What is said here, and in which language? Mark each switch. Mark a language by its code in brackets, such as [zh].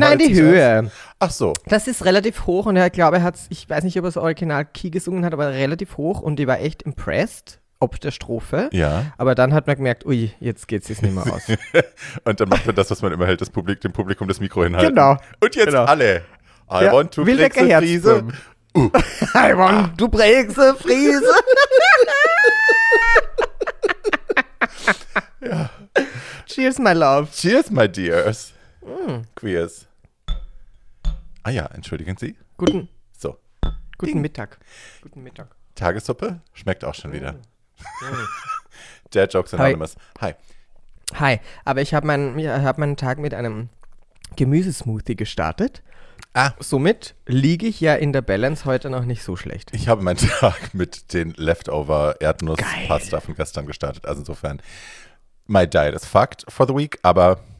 [de] Nein, die Höhe. Ach so. Das ist relativ hoch und er glaube, ich weiß nicht, ob er das Original Key gesungen hat, aber relativ hoch und die war echt impressed. Ob der Strophe. Ja. Aber dann hat man gemerkt, ui, jetzt geht es nicht mehr aus. Und dann macht man das, was man immer hält, dem Publikum das Mikro hinhalten. Genau. Und jetzt genau. Alle. [en] I want to break the Friese. I want to break the Friese. Cheers, my love. Cheers, my dears. Queers. [de] Ah ja, entschuldigen Sie. Guten. So. Guten Ding. Mittag. Guten Mittag. Tagessuppe schmeckt auch schon wieder. [en] Dead Jokes Anonymous. Hi. Hi. [de] Aber ich habe meinen Tag mit einem Gemüsesmoothie gestartet. Ah. Somit liege ich ja in der Balance heute noch nicht so schlecht. Ich habe meinen Tag mit den Leftover-Erdnuss-Pasta von gestern gestartet. Also insofern, [en] my diet is fucked for the week, [de] aber.